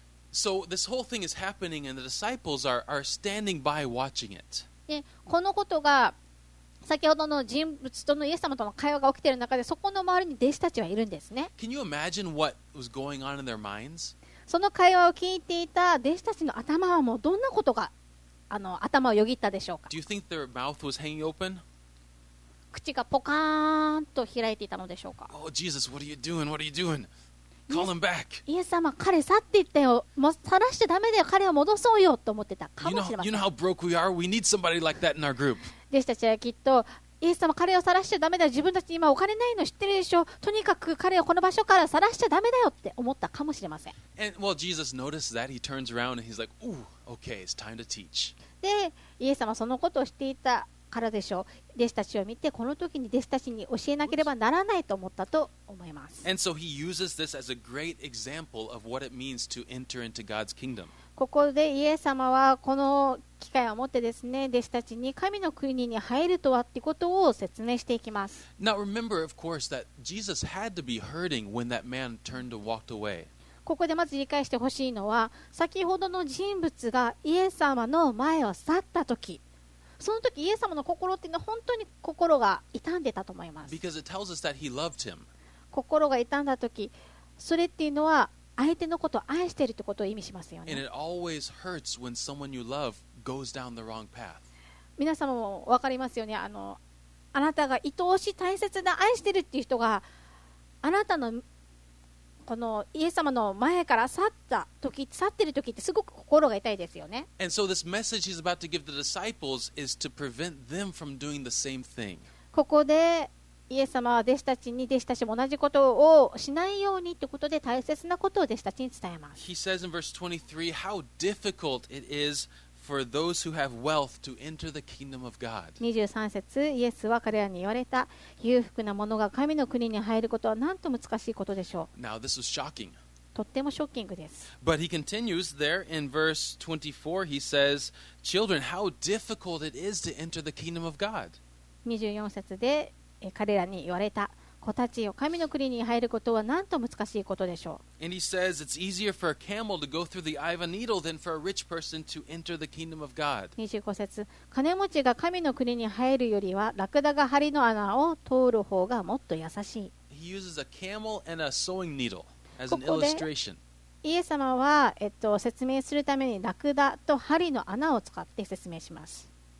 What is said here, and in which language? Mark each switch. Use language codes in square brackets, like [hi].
[en] So this whole thing is happening, and the disciples are standing by watching it. [ja] で、このことが先ほどの人物とのイエス様との会話が起きている中で、そこの周りに弟子たちはいるんですね。 [en] Can you imagine what was going on in their minds? [ja] その会話を聞いていた弟子たちの頭はもうどんなことが頭をよぎったでしょうか。 [en] Do you think their mouth was hanging open? [ja] 口がポカーンと開いていたのでしょうか。 [en] Oh, Jesus, what are you doing? What are you doing? Call him back. [ja] イエス様、彼去って言ったよ。もう晒してダメだよ。彼を戻そうよと思ってたかもしれません。 [en] You know how broke we are? We need somebody like that in our group. [ja] 弟子たちはきっと、イエス様、彼を晒してダメだよ。自分たち今お金ないの知ってるでしょ。とにかく彼をこの場所から晒してダメだよって思ったかもしれません。 [en] And, well, Jesus noticed that. He turns around and he's like, ooh, okay, it's time to teach. [ja] で、イエス様、そのことを知っていた。からでしょう。弟子たちを見てこの時に弟子たちに教えなければならないと思ったと思います。 [en] And so he uses this as a great example of what it means to enter into God's kingdom. [ja] ここでイエス様はこの機会を持ってですね、弟子たちに神の国に入るとはってことを説明していきます。 [en] Now remember of course that Jesus had to be hurting when that man turned and walked away. [ja] ここでまず理解してほしいのは、先ほどの人物がイエス様の前を去った時、その時イエス様の心っていうのは本当に心が痛んでたと思います。 [en] Because it tells us that he loved him. [ja] 心が痛んだ時、それっていうのは相手のことを愛しているってことを意味しますよね。 [en] And it always hurts when someone you love goes down the wrong path. [ja] 皆様も分かりますよね。あなたが愛おしい大切な愛してるっていう人があなたのこのイエス様の前から去った時、去ってる時ってすごく心が痛いですよね。 [en] And so this message he's about to give the disciples is to prevent them from doing the same thing. [ja] ここでイエス様は弟子たちに、弟子たちも同じことをしないようにということで大切なことを弟子たちに伝えます。 [en] He says in verse 23 how difficult it is for those who have wealth to enter the kingdom of God. [ja] 23節、イエスは彼らに言われた、裕福な者が神の国に入ることはなんと難しいことでしょう。 [en] Now this is shocking. [ja] とってもショッキングです。 [en] But he continues there in verse 24 he says children how difficult it is to enter the kingdom of God. [ja] 24節で彼らに言われた、子たちよ、神の国に入ることはなんと難しいことでしょう。 [en] And he says it's easier for a camel to go through the eye of a needle than for a rich person to enter the kingdom of God. [ja] 25節、金持ちが神の国に入るよりはラクダが針の穴を通る方がもっと優しい。 [en] He uses a camel and a sewing needle as an illustration. [ja] イエス様は、説明するためにラクダと針の穴を使って説明します。